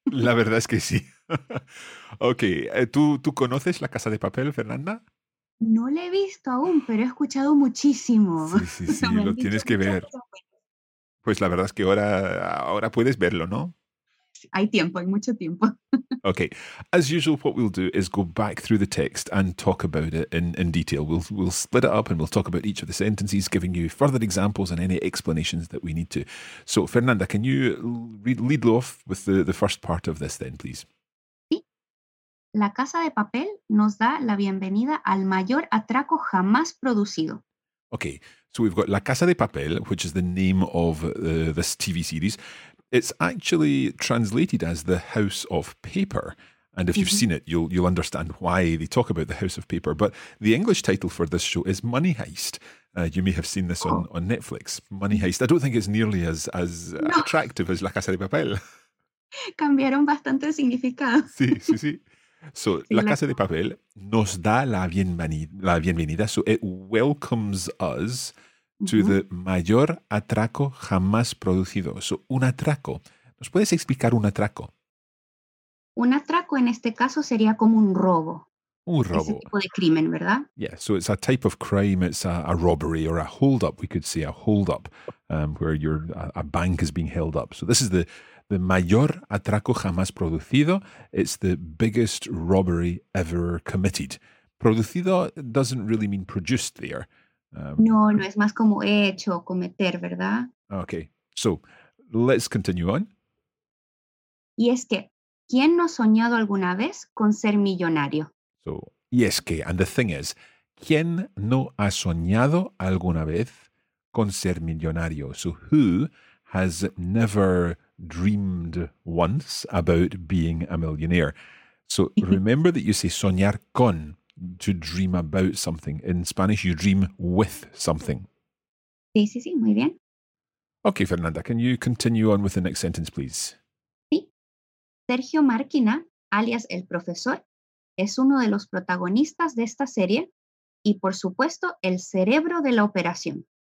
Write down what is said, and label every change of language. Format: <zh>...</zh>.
<es>La verdad es que sí. Ok, ¿tú conoces La Casa de Papel, Fernanda? No la he visto aún, pero he escuchado muchísimo. Sí, lo tienes que ver. Pues la verdad es que ahora puedes verlo, ¿no? Hay tiempo, hay mucho tiempo.</es> <en>Okay, as usual, what we'll do is go back through the text and talk about it in detail. We'll split it up and we'll talk about each of the sentences, giving you further examples and any explanations that we need to. So, Fernanda, can you lead off with the first part of this then, please?</en> <es>Sí. La Casa de Papel nos da la bienvenida al mayor atraco jamás producido.</es> <en>Okay, so we've got La Casa de Papel, which is the name of this TV series. It's actually translated as The House of Paper. And if you've seen it, you'll understand why they talk about The House of Paper. But the English title for this show is Money Heist. You may have seen this on Netflix. Money Heist. I don't think it's nearly as attractive as La Casa de Papel.</en> <es>Cambiaron bastante el significado. Sí, sí, sí. So, sí, La Casa de Papel nos da la bienvenida.</es> <en>So, it welcomes us to the</en> <es>mayor atraco jamás producido.</es> <en>So,</en> <es>un atraco. ¿Nos puedes explicar un atraco? Un atraco en este caso sería como un robo. Un robo. Ese tipo de crimen, ¿verdad?</es> <en>Yeah, so it's a type of crime. It's a robbery or a hold up. We could say a hold up where a bank is being held up. So, this is the</en> <es>mayor atraco jamás producido.</es> <en>It's the biggest robbery ever committed. Producido doesn't really mean produced there.</en> <es>No, es más como hecho, cometer, ¿verdad?</es> <en>Okay, so let's continue on.</en> <es>Y es que, ¿quién no ha soñado alguna vez con ser millonario? So, y es que,</es> <en>and the thing is,</en> <es>¿quién no ha soñado alguna vez con ser millonario?</es> <en>So, who has never dreamed once about being a millionaire? So, remember that you say</en> <es>soñar con.</es> <en>To dream about something. In Spanish, you dream with something.</en> <es>Sí, sí, sí, muy bien.</es> <en>Okay, Fernanda, can you continue on with the next sentence, please?</en> <es>Sí. Sergio Márquina, alias el profesor, es uno de los protagonistas de esta serie y, por supuesto, el cerebro de la operación.</es>